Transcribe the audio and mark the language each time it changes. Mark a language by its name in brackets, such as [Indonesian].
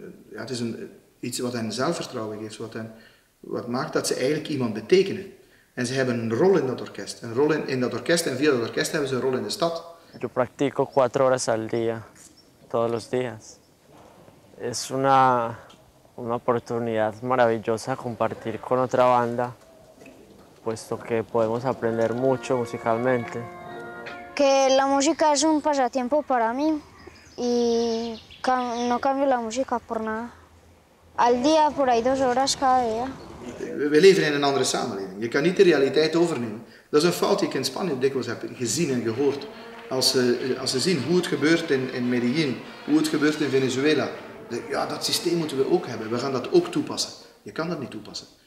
[Dutch] Ja, het is iets wat hen zelfvertrouwen geeft, wat maakt dat ze eigenlijk iemand betekenen. En ze hebben een rol in dat orkest. Een rol in dat orkest en via dat orkest hebben ze een rol in de stad. [Spanish] Ik practico 4 horas al día, todos los días. Es una oportunidad maravillosa compartir con otra banda, puesto que podemos aprender mucho musicalmente. Que la música es un pasatiempo para mí y no cambio la música por nada. Al día por ahí 2 horas cada día. [Dutch] We leven in een andere samenleving. Je kan niet de realiteit overnemen. Dat is een fout die ik in Spanje dikwijls heb gezien en gehoord. Als ze zien hoe het gebeurt in Medellín, hoe het gebeurt in Venezuela. Ja, dat systeem moeten we ook hebben. We gaan dat ook toepassen. Je kan dat niet toepassen.